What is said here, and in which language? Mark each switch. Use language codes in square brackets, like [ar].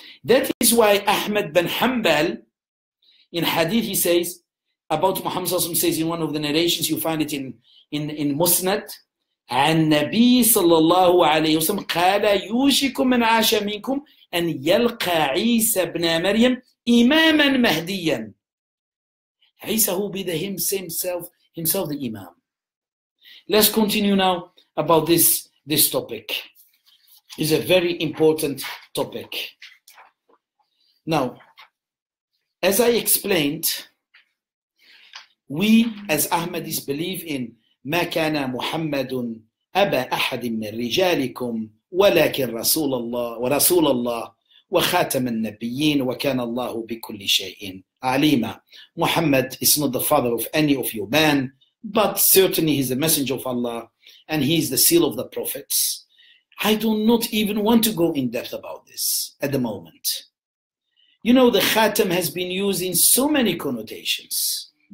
[en] That is why Ahmad bin Hanbal, in Hadith, he says, about Muhammad Sallallahu Alaihi Wasallam, says in one of the narrations, you find it in Musnad, النبي صلى الله عليه وسلم قال يوشك من عاش منكم أن يلقى عيسى بن مريم إماما مهديا. عيسى will be the himself the imam. Let's continue now about this topic. It's a very important topic. Now, as I explained, we as Ahmadis believe in [ar] ما كان محمد أبا أحد من رجالكم ولكن رسول الله ورسول الله وخاتم النبيين وكان الله بكل شيء عليما. [en] Muhammad is not the father of any of you men, but certainly he's the messenger of Allah and he's the seal of the prophets. I do not even want to go in depth about this at the moment. You know, the khatam has been used in so many connotations.